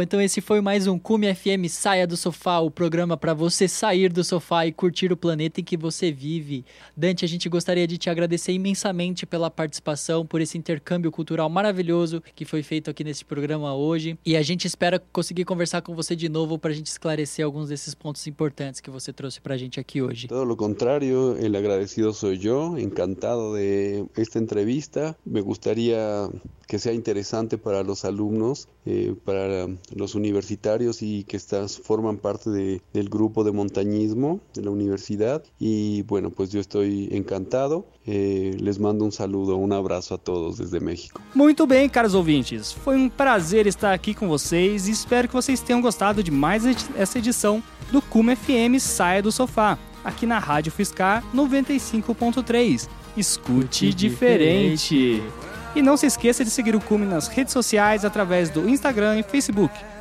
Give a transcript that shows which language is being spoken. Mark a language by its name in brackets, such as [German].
[Portuguese] Então esse foi mais um Cume FM Saia do Sofá, o programa para você sair do sofá e curtir o planeta em que você vive. Dante, a gente gostaria de te agradecer imensamente pela participação, por esse intercâmbio cultural maravilhoso que foi feito aqui nesse programa hoje. E a gente espera conseguir conversar com você de novo para a gente esclarecer alguns desses pontos importantes que você trouxe para a gente aqui hoje. [Spanish] Todo lo contrario, el agradecido soy yo, encantado de esta entrevista. Me gustaría que sea interesante para los alumnos, para los universitarios y que estás forman parte del grupo de montañismo de la universidad. Y bueno, pues yo estoy encantado. Les mando un saludo, un abrazo a todos desde México. [Portuguese] Muito bem, caros ouvintes. Foi um prazer estar aqui com vocês e espero que vocês tenham gostado de mais essa edição do Cume FM Saia do Sofá, aqui na Rádio Fiscar 95.3. Escute diferente. E não se esqueça de seguir o Cume nas redes sociais através do Instagram e Facebook.